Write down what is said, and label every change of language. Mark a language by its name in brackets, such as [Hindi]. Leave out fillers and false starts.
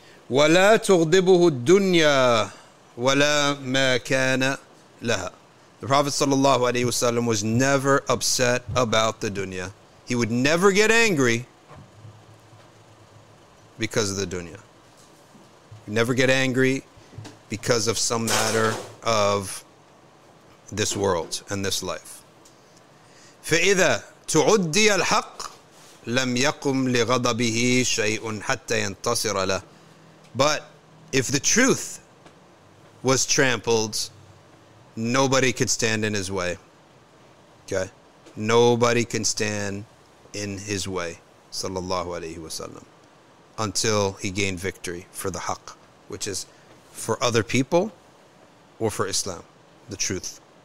[Arabic] ولا تغضبه الدنيا ولا ما كان لها. [English] The Prophet sallallahu alaihi wasallam was never upset about the dunya. He would never get angry because of the dunya. Never get angry because of some matter of this world and this life. [Arabic] فإذا تعدي الحق لم يقم لغضبه شيء حتى ينتصر له. [English] But if the truth was trampled, nobody could stand in his way. Okay? Nobody can stand in his way, sallallahu alayhi wasallam, until he gained victory for the haq, which is for other people or for Islam, the truth.